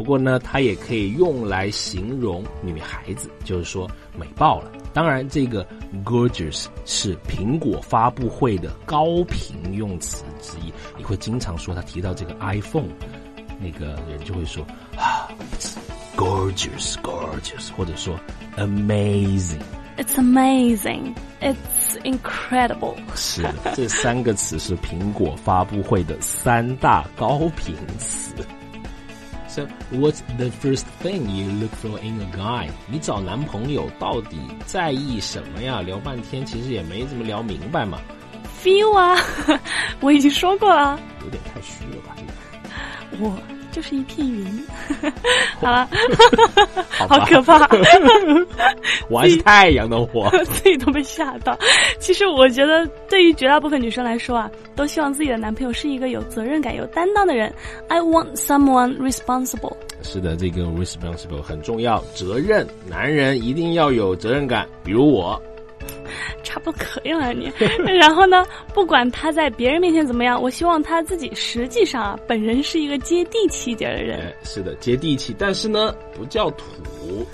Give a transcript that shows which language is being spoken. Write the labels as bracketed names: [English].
[Chinese] 不过呢，它也可以用来形容女孩子，就是说美爆了。当然这个 gorgeous 是苹果发布会的高频用词之一，你会经常说他提到这个 iPhone， 那个人就会说啊 [English] it's gorgeous gorgeous， [Chinese] 或者说 amazing [English] it's amazing it's incredible。 [Chinese] 是这三个词是苹果发布会的三大高频词。 [English] So, what's the first thing you look for in a guy? [Chinese] 你找男朋友到底在意什么呀？聊半天其实也没怎么聊明白嘛。 Feel 啊，我已经说过了。有点太虚了吧？我就是一片云。好了，好可怕。我还是太阳的火，自己都被吓到。其实我觉得，对于绝大部分女生来说啊，都希望自己的男朋友是一个有责任感、有担当的人。 [English] I want someone responsible。 [Chinese] 是的，这个 responsible 很重要，责任，男人一定要有责任感。比如我，差不多可以了你。然后呢，不管他在别人面前怎么样，我希望他自己实际上啊，本人是一个接地气点的人。是的，接地气，但是呢，不叫土。